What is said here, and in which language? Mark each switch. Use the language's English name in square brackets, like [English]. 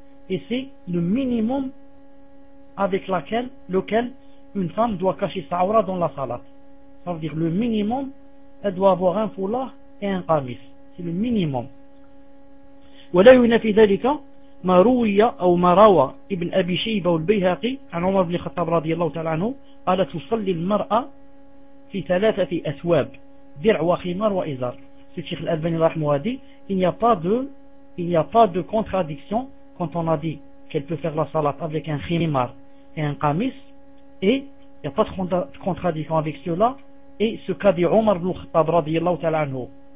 [French] Et c'est le minimum avec lequel une femme doit cacher sa aura dans la salat. Ça veut dire le minimum, elle doit avoir un foulard et un qamis. C'est le minimum. [Arabic] وَلَا يُنَفِي ذَلِكَ مَا رُوِيَ أَوْ مَا رَوَى إِبْنْ أَبِي شَيْبَ وَالْبَيْهَقِي عن عمر بن الخطاب رضي الله تعالى عنه قال تصلي المرأة في ثلاثة أثواب درع وخمار وإزار. [French] C'est Cheikh Al-Albani Rahmou a dit, il n'y a pas de contradiction quand on a dit qu'elle peut faire la salat avec un khimar et un qamis, et il n'y a pas de contradiction avec cela et ce qu'a dit Omar ibn Khattab [Arabic] radiyallahu ta'ala anhu.